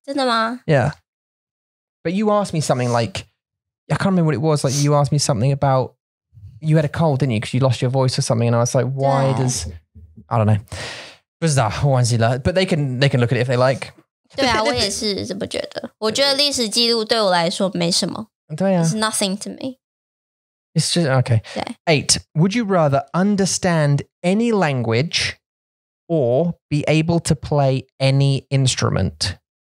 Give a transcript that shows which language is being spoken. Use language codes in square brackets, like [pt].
[zh] 真的吗? [en] Yeah. But you asked me something like, I can't remember what it was, like you asked me something about, you had a cold, didn't you? Because you lost your voice or something, and I was like, why does... I don't know. But they can look at it if they like. [zh] 对啊，我也是这么觉得。我觉得历史记录对我来说没什么。对啊。 [en] It's nothing to me. It's just, okay. [zh] 对。 [en] 8. Would you rather understand any language or be able to play any instrument?